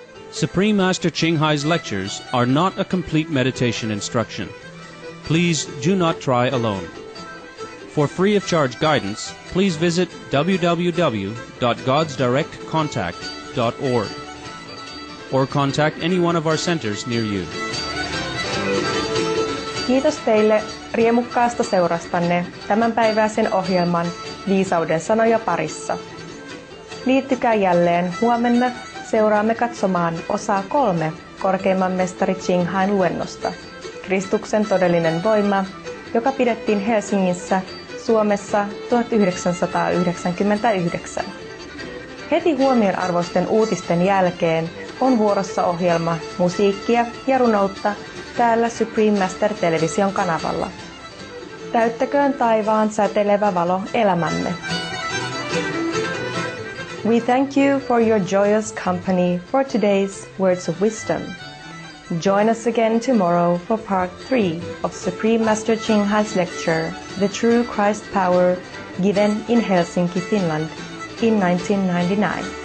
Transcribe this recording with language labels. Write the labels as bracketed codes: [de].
[en] Supreme Master Qinghai's lectures are not a complete meditation instruction. Please do not try alone. For free of charge guidance, please visit www.godsdirectcontact.org or contact any one of our centers near you. [fi] Kiitos teille riemukkaasta seurastanne tämänpäiväisen ohjelman Viisauden sanoja parissa. Liittykää jälleen huomenna, seuraamme katsomaan osaa 3 korkeimman mestari Qinghain luennosta, Kristuksen todellinen voima, joka pidettiin Helsingissä, Suomessa 1999. Heti huomionarvoisten uutisten jälkeen on vuorossa ohjelma musiikkia ja runoutta täällä Supreme Master -television kanavalla. Täyttäköön taivaan säteilevä valo elämämme. [en] We thank you for your joyous company for today's Words of Wisdom. Join us again tomorrow for part 3 of Supreme Master Qinghai's lecture, The True Christ Power, given in Helsinki, Finland in 1999.